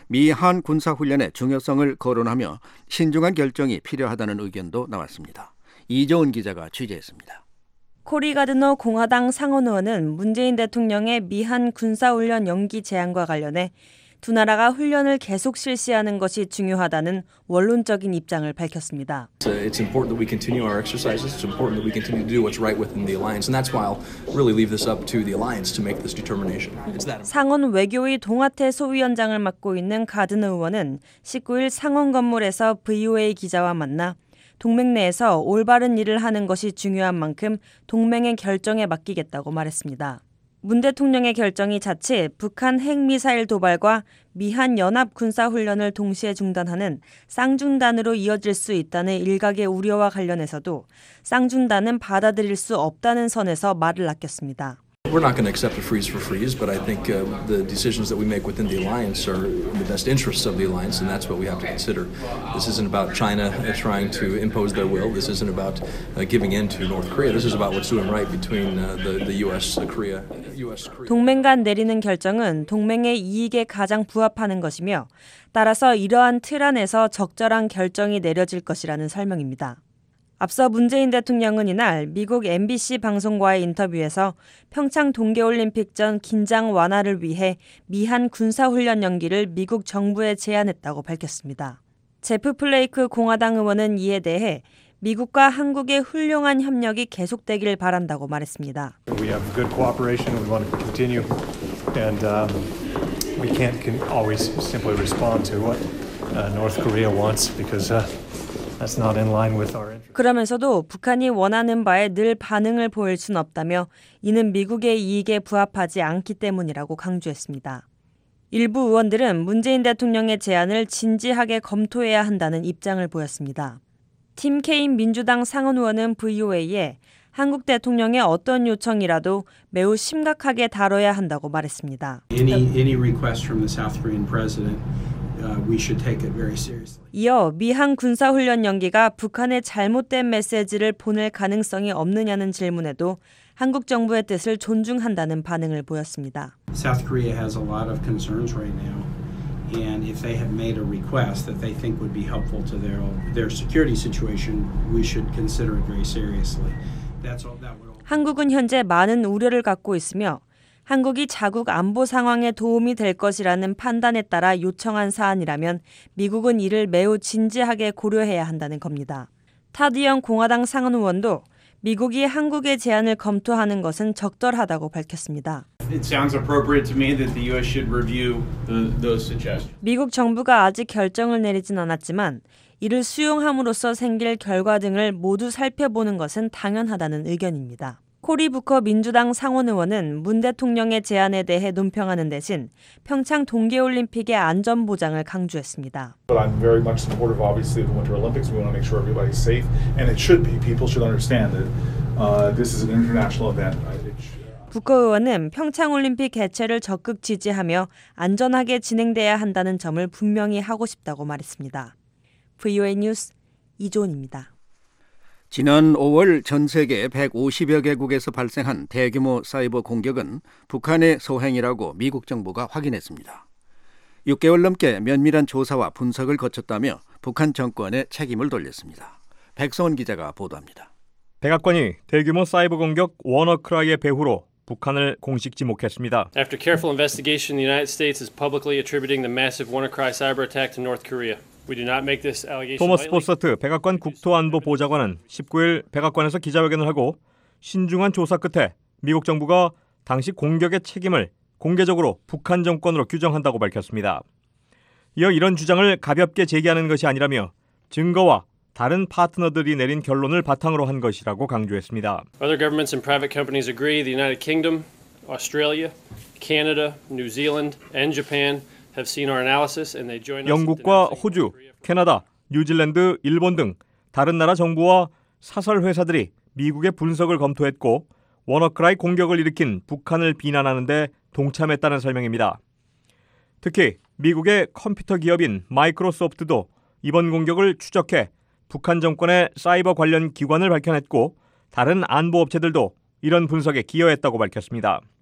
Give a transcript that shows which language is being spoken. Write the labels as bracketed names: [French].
[Korean] 미한군사훈련의 중요성을 거론하며 신중한 결정이 필요하다는 의견도 나왔습니다. 이종은 기자가 취재했습니다. 코리 가드너 공화당 상원의원은 문재인 대통령의 미한군사훈련 연기 제안과 관련해 두 나라가 훈련을 계속 실시하는 것이 중요하다는 원론적인 입장을 밝혔습니다. [English] It's important that we continue our exercises. It's important that we continue to do what's right within the alliance. And that's why I'll really leave this up to the alliance to make this determination. [Korean] 상원 외교의 동아태 소위원장을 맡고 있는 가드너 의원은 19일 상원 건물에서 VOA 기자와 만나 동맹 내에서 올바른 일을 하는 것이 중요한 만큼 동맹의 결정에 맡기겠다고 말했습니다. 문 대통령의 결정이 자칫 북한 핵미사일 도발과 미한 연합 군사훈련을 동시에 중단하는 쌍중단으로 이어질 수 있다는 일각의 우려와 관련해서도 쌍중단은 받아들일 수 없다는 선에서 말을 아꼈습니다. [English] We're not going to accept a freeze for freeze, but I think the decisions that we make within the alliance are in the best interests of the alliance, and that's what we have to consider. This isn't about China trying to impose their will. This isn't about giving in to North Korea. This is about what's doing right between the U.S., Korea, U.S., Korea. [Korean] 동맹 간 내리는 결정은 동맹의 이익에 가장 부합하는 것이며, 따라서 이러한 틀 안에서 적절한 결정이 내려질 것이라는 설명입니다. 앞서 문재인 대통령은 이날 미국 MBC 방송과의 인터뷰에서 평창 동계올림픽 전 긴장 완화를 위해 미한 군사훈련 연기를 미국 정부에 제안했다고 밝혔습니다. 제프 플레이크 공화당 의원은 이에 대해 미국과 한국의 훌륭한 협력이 계속되길 바란다고 말했습니다. [English] We have good cooperation. We want to continue. And we can't always simply respond to what North Korea wants because... That's not in line with our interests. [Korean] 그러면서도 북한이 원하는 바에 늘 반응을 보일 순 없다며 이는 미국의 이익에 부합하지 않기 때문이라고 강조했습니다. 일부 의원들은 문재인 대통령의 제안을 진지하게 검토해야 한다는 입장을 보였습니다. 팀 케인 민주당 상원 의원은 VOA에 한국 대통령의 어떤 요청이라도 매우 심각하게 다뤄야 한다고 말했습니다. [English] Any request from the South Korean president. We should take it very seriously. [Korean] 이어 미한 군사훈련 연기가 북한의 잘못된 메시지를 보낼 가능성이 없느냐는 질문에도 한국 정부의 뜻을 존중한다는 반응을 보였습니다. [English] South Korea has a lot of concerns right now, and if they have made a request that they think would be helpful to their security situation, we should consider it very seriously. That's all that would. [Korean] 한국은 현재 많은 우려를 갖고 있으며. 한국이 자국 안보 상황에 도움이 될 것이라는 판단에 따라 요청한 사안이라면 미국은 이를 매우 진지하게 고려해야 한다는 겁니다. 타드영 공화당 상원 의원도 미국이 한국의 제안을 검토하는 것은 적절하다고 밝혔습니다. [English] It sounds appropriate to me that the U.S. should review those suggestions. [Korean] 미국 정부가 아직 결정을 내리진 않았지만 이를 수용함으로써 생길 결과 등을 모두 살펴보는 것은 당연하다는 의견입니다. 코리 부커 민주당 상원 의원은 문 대통령의 제안에 대해 논평하는 대신 평창 동계올림픽의 안전 보장을 강조했습니다. [English] But I'm very much supportive, obviously, of the Winter Olympics. We want to make sure everybody's safe, and it should be. People should understand that this is an international event. Right? [Korean] 부커 의원은 평창올림픽 개최를 적극 지지하며 안전하게 진행돼야 한다는 점을 분명히 하고 싶다고 말했습니다. VOA 뉴스 이조은입니다. 지난 5월 전 세계 150여 개국에서 발생한 대규모 사이버 공격은 북한의 소행이라고 미국 정부가 확인했습니다. 6개월 넘게 면밀한 조사와 분석을 거쳤다며 북한 정권에 책임을 돌렸습니다. 백성원 기자가 보도합니다. 백악관이 대규모 사이버 공격 워너크라이의 배후로 북한을 공식 지목했습니다. [English] After careful investigation, the United States is publicly attributing the massive WannaCry cyber attack to North Korea. We do not make this allegation. [Korean] 토머스 포스트 백악관 국토안보 보좌관은 19일 백악관에서 기자회견을 하고 신중한 조사 끝에 미국 정부가 당시 공격의 책임을 공개적으로 북한 정권으로 규정한다고 밝혔습니다. 이어 이런 주장을 가볍게 제기하는 것이 아니라며 증거와 다른 파트너들이 내린 결론을 바탕으로 한 것이라고 강조했습니다. [English] Other governments and private companies agree the United Kingdom, Australia, Canada, New Zealand, and Japan have seen our analysis and they join us. [Korean] 영국과 호주, 캐나다, 뉴질랜드, 일본 등 다른 나라 정부와 사설 회사들이 미국의 분석을 검토했고 워너크라이 공격을 일으킨 북한을 비난하는 데 동참했다는 설명입니다. 특히 미국의 컴퓨터 기업인 마이크로소프트도 이번 공격을 추적해 북한 정권의 사이버 관련 기관을 밝혀냈고 다른 안보 업체들도 이런 분석에 기여했다고 밝혔습니다.